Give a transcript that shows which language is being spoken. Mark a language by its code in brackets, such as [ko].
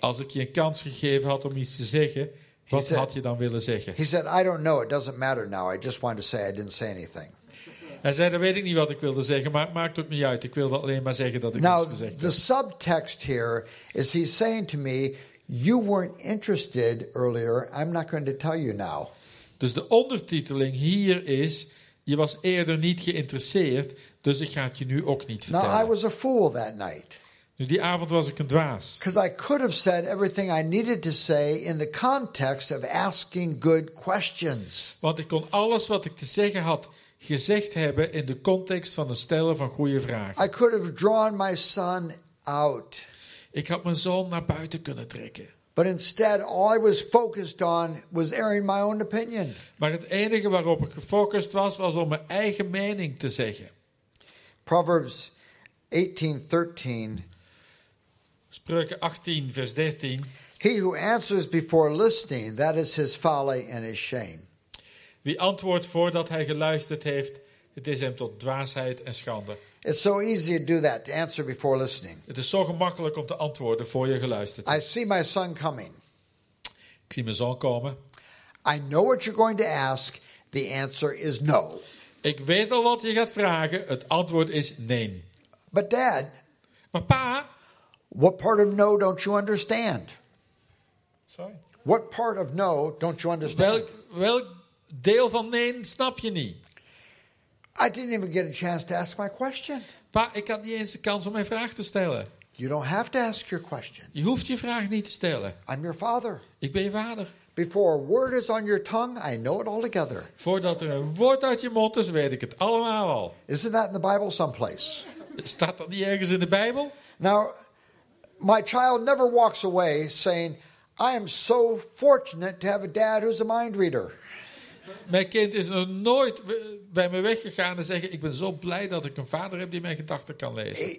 [nl] Als ik je een kans gegeven had om iets te zeggen, wat [en] said, [nl] had je dan willen zeggen? [en] He said, I don't know, it doesn't matter now. I just wanted to say I didn't say anything. [nl] Hij zei, dan weet ik niet wat ik wilde zeggen, maar maakt het niet uit. Ik wilde alleen maar zeggen dat ik iets gezegd heb. [en] The subtext here is he's saying to me, you weren't interested earlier. I'm not going to tell you now. [nl] Dus de ondertiteling hier is, je was eerder niet geïnteresseerd, dus ik ga het je nu ook niet vertellen. [en] Now, I was a fool that night. [nl] Nu, die avond was ik een dwaas. [en] Because I could have said everything I needed to say in the context of asking good questions. [nl] Want ik kon alles wat ik te zeggen had gezegd hebben in de context van het stellen van goede vragen. [en] I could have drawn my son out. [nl] Ik had mijn zoon naar buiten kunnen trekken. [en] But instead, all I was focused on was airing my own opinion. [nl] Maar het enige waarop ik gefocust was, was om mijn eigen mening te zeggen. [en] Proverbs 18:13. [nl] Spreuken 18, vers 13. [en] He who answers before listening, that is his folly and his shame. [nl] Wie antwoordt voordat hij geluisterd heeft, het is hem tot dwaasheid en schande. [en] It's so easy to do that, to answer before listening. [nl] Het is zo gemakkelijk om te antwoorden voor je geluisterd. [en] I see my son coming. [nl] Ik zie mijn zoon komen. [en] I know what you're going to ask. The answer is no. [nl] Ik weet al wat je gaat vragen. Het antwoord is nee. [en] But dad. [nl] Maar pa. [en] What part of no don't you understand? Sorry. What part of no don't you understand? [nl] Welk deel van nee snap je niet? [en] I didn't even get a chance to ask my question. [nl] Pa, ik had niet eens de kans om mijn vraag te stellen. [en] You don't have to ask your question. [nl] Je hoeft je vraag niet te stellen. [en] I'm your father. [nl] Ik ben je vader. [en] Before a word is on your tongue, I know it all together. [nl] Voordat er een woord uit je mond is, weet ik het allemaal al. [en] Isn't that in the Bible someplace? [nl] Staat dat niet ergens in de Bijbel? [en] Now, my child never walks away saying, I am so fortunate to have a dad who's a mind reader. [nl] Mijn kind is nog nooit bij me weggegaan en zeggen, ik ben zo blij dat ik een vader heb die mijn gedachten kan lezen.